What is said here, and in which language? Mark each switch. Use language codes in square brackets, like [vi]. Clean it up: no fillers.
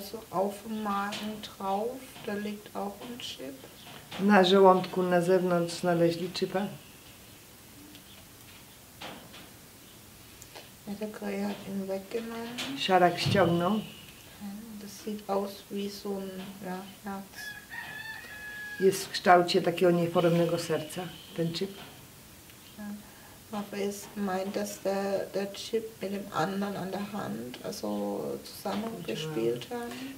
[de] Auf dem Magen drauf, da liegt auch ein Chip. [pl] Na żołądku, na zewnątrz znaleźli chipa. [de] Ja, der Kreis hat ihn weggenommen. [pl] Szarak ściągnął. [de] Das sieht aus wie so ein, ja, Herz. [pl] Jest w kształcie takiego nieformnego serca, ten chip. [de] Aber es meint, dass der Chip mit dem anderen an der Hand, also zusammengespielt hat.